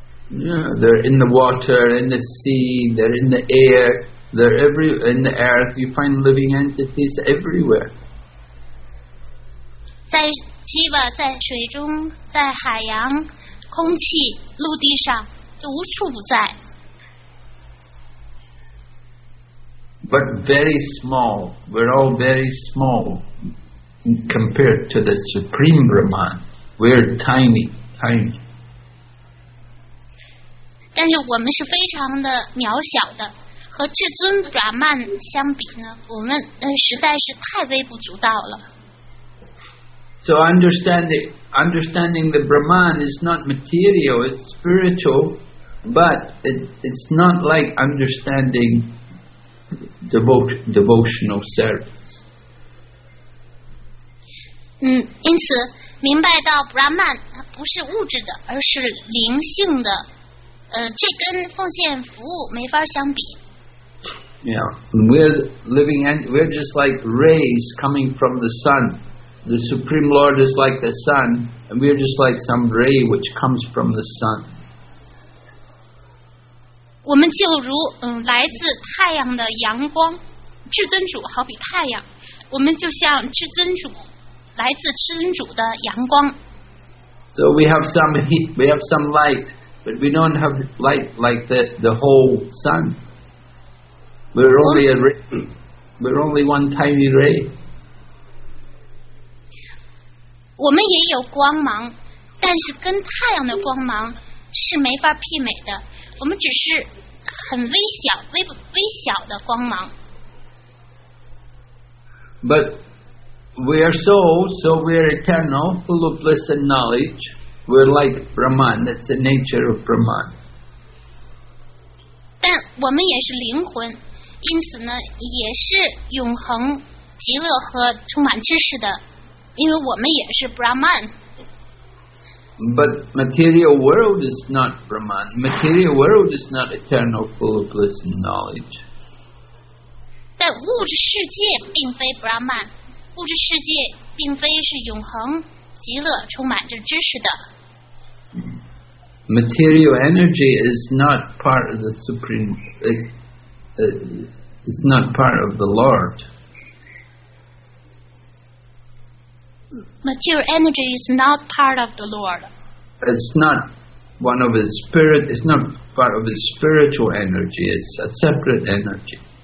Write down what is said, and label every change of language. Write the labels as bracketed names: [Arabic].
[English] Yeah, they're in the water, in the sea, they're in the air, they're every in the earth. You find living entities everywhere. [Chinese] 在 Jiva 在水中，在海洋、空气、陆地上，就无处不在。 [English] But very small. We're all very small compared to the Supreme Brahman. We're tiny, tiny. [Chinese] 但是我们是非常的渺小的，和至尊 Brahman 相比呢，我们实在是太微不足道了。 [English] So understanding the Brahman is not material; it's spiritual, but it's not like understanding. Devotional service. [Chinese] 因此明白到 Brahman 它不是物质的，而是灵性的。这跟奉献服务没法相比。 [English] Yeah, we're just like rays coming from the sun. The Supreme Lord is like the sun, and we're just like some ray which comes from the sun. [Chinese] 我们就如来自太阳的阳光，至尊主好比太阳，我们就像至尊主，来自至尊主的阳光。 [English] So we have some heat, we have some light, but we don't have light like the whole sun. We're only one tiny ray. [Chinese] 我们也有光芒，但是跟太阳的光芒是没法媲美的。我们只是很微小、微小的光芒。 [English] But we are so we are eternal, full of bliss and knowledge. We're like Brahman. That's the nature of Brahman. [Chinese] 但我们也是灵魂，因此呢，也是永恒、极乐和充满知识的，因为我们也是 Brahman。 [English] But material world is not Brahman. Material world is not eternal, full of bliss and knowledge. [Chinese] 但物质世界并非 Brahman. 物质世界并非是永恒、极乐、充满着知识的。 [English] Material energy is not part of the Supreme. It's not part of the Lord. Material energy is not part of the Lord. It's not one of his spirit, it's not part of his spiritual energy, it's a separate energy.